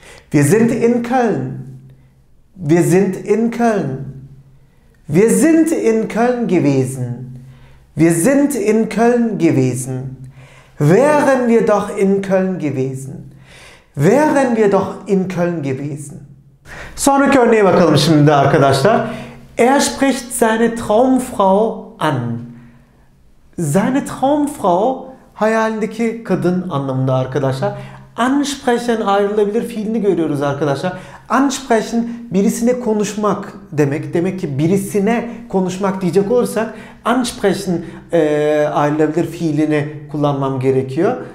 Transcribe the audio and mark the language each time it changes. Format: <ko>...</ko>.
<de>Wir sind in Köln. Wir sind in Köln. Wir sind in Köln gewesen. Wir sind in Köln gewesen. Wären wir doch in Köln gewesen. Wären wir doch in Köln gewesen.</de> <tr>Sonraki örneğe bakalım şimdi arkadaşlar.</tr> <de>Er spricht seine Traumfrau an.</de> <tr>Seine Traumfrau, hayalindeki kadın anlamında arkadaşlar. Ansprechen, ayrılabilir fiilini görüyoruz arkadaşlar. Ansprechen, birisine konuşmak demek. Demek ki birisine konuşmak diyecek olursak ansprechen ayrılabilir fiilini kullanmam gerekiyor.</tr>